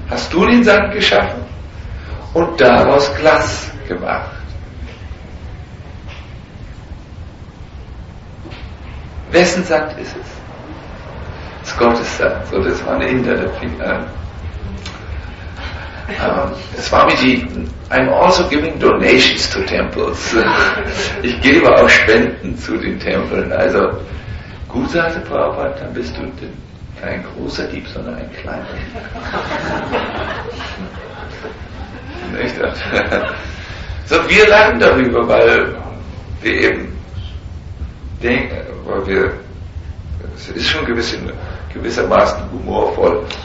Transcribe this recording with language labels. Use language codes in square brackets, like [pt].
[de] Hast du den Sand geschaffen? Und daraus Glas gemacht. Wessen Sand ist es? zu Gottes sagt. So, das war ein Inder, der fing an. [en] Swami Ji, I'm also giving donations to temples. [de] Ich gebe auch Spenden zu den Tempeln. Also, gut, sagte Prabhupada, dann bist du kein großer Dieb, sondern ein kleiner Dieb. So, wir lachen darüber, weil wir eben denken, weil wir, es ist schon gewissermaßen humorvoll.